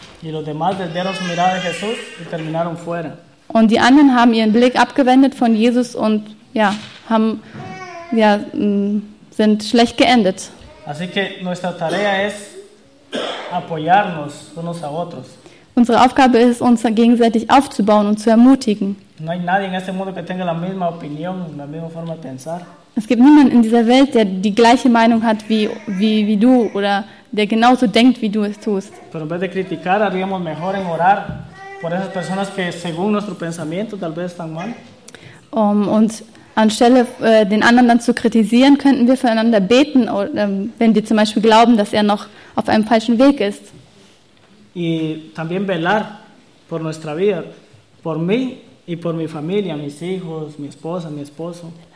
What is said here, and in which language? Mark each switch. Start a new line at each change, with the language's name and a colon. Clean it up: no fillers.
German: Und die anderen haben ihren Blick abgewendet von Jesus und ja, haben ja, sind schlecht geendet.
Spanish: Así que nuestra tarea es apoyarnos unos a otros.
German: Unsere Aufgabe ist, uns gegenseitig aufzubauen und zu ermutigen.
Spanish: No hay nadie en este mundo que tenga la misma opinión, la misma forma de pensar.
German: Es gibt niemanden in dieser Welt, der die gleiche Meinung hat wie du oder der genauso denkt, wie du es tust.
Spanish: Pero en vez de criticar, haríamos mejor en orar por esas personas que según nuestro pensamiento tal vez están mal.
German: Und anstelle den anderen dann zu kritisieren, könnten wir füreinander beten, oder, wenn die zum Beispiel glauben, dass er noch auf einem falschen Weg ist.
Spanish: Y también velar por nuestra vida, por mí y por mi familia, mis hijos, mi esposa, mi esposo.